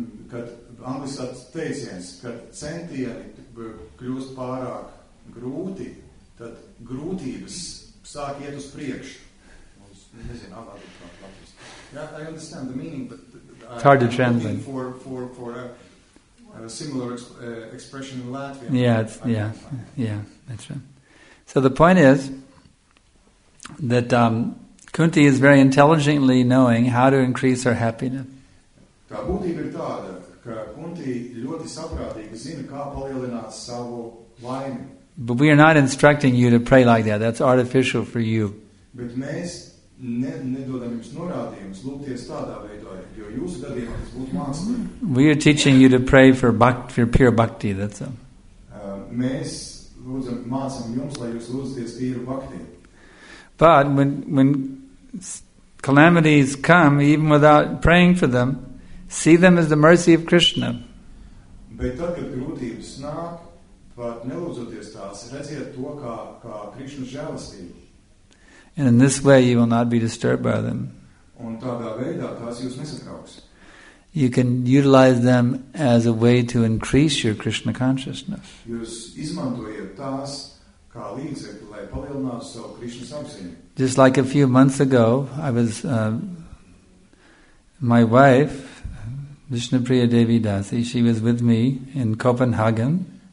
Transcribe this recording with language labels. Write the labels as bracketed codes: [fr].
[lv] Kad anglisāts teiciens, kad centieni kļūst pārāk grūti, tad grūtības sāk iet uz priekšu. [en] Yeah, I understand the meaning, but it's hard to translate. Looking for a similar expression in Latvian. Yeah, that's right. So the point is that Kunti is very intelligently knowing how to increase her happiness. [lv] Tā būtība ir tāda, ka Kunti ļoti saprātīgi zina, kā palielināt savu laimi. [en] But we are not instructing you to pray like that. That's artificial for you. [lv] Bet mēs nedodam jums norādījumus lūgties tādā veidā, jo jūsu gadījumā tas būtu mākslīgi. [en] We are teaching you to pray for bhakti, for pure bhakti, that's all. [lv] Mēs lūdzam, mācam jums, lai jūs lūdzaties pīru bhakti. [en] But when calamities come, even without praying for them, see them as the mercy of Krishna. [lv] Bet tad, kad grūtības nāk, pat nelūdzoties tās, redziet to, kā Krišna žēlastība. [en] And in this way you will not be disturbed by them. [lv] Un tādā veidā tās jūs nesatrauks. [en] You can utilize them as a way to increase your Krishna consciousness. [lv] Jūs izmantojiet tās kā līdzekli, lai palielinātu savu Krishna sapziņu. [en] Just like a few months ago, I was my wife, Vishnupriya Devi Dasi, she was with me in Copenhagen.